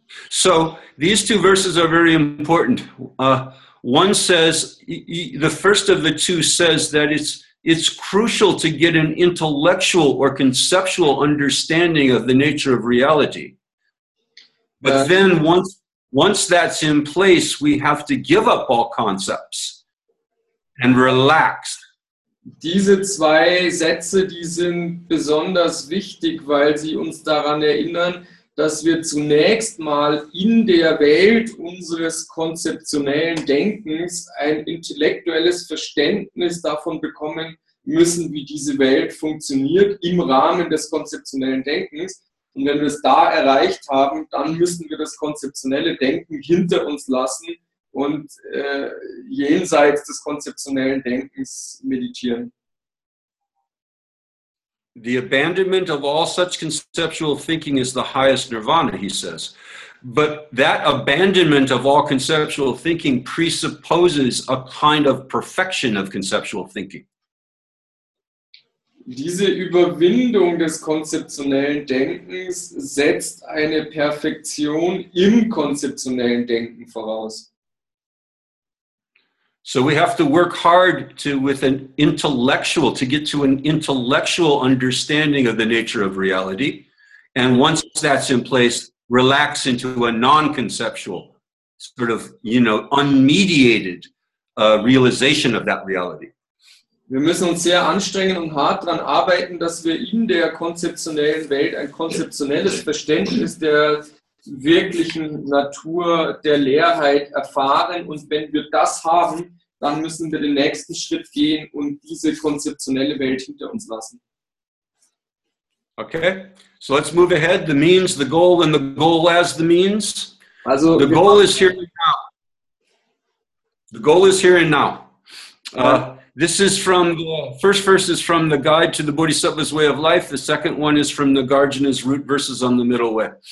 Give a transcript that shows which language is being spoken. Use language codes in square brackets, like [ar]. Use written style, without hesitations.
[en] So, these two verses are very important. One says, the first of the two says that it's crucial to get an intellectual or conceptual understanding of the nature of reality. But then once that's in place, we have to give up all concepts and relax. [de] Diese zwei Sätze, die sind besonders wichtig, weil sie uns daran erinnern, dass wir zunächst mal in der Welt unseres konzeptionellen Denkens ein intellektuelles Verständnis davon bekommen müssen, wie diese Welt funktioniert im Rahmen des konzeptionellen Denkens. Und wenn wir es da erreicht haben, dann müssen wir das konzeptionelle Denken hinter uns lassen und jenseits des konzeptionellen Denkens meditieren. [en] The abandonment of all such conceptual thinking is the highest nirvana, he says. But that abandonment of all conceptual thinking presupposes a kind of perfection of conceptual thinking. [de] Diese Überwindung des konzeptionellen Denkens setzt eine Perfektion im konzeptionellen Denken voraus. [en] So we have to work hard to get to an intellectual understanding of the nature of reality. And once that's in place, relax into a non-conceptual, sort of, you know, unmediated realization of that reality. [de] Wir müssen uns sehr anstrengen und hart daran arbeiten, dass wir in der konzeptionellen Welt ein konzeptionelles Verständnis der wirklichen Natur, der Leerheit erfahren. Und wenn wir das haben, dann müssen wir den nächsten Schritt gehen und diese konzeptionelle Welt hinter uns lassen. [en] Okay, so let's move ahead. The means, the goal and the goal as the means. Also, the goal is here and now. The goal is here and now. This is from the first verse is from the Guide to the Bodhisattva's Way of Life. The second one is from Nagarjuna's Root Verses on the Middle Way.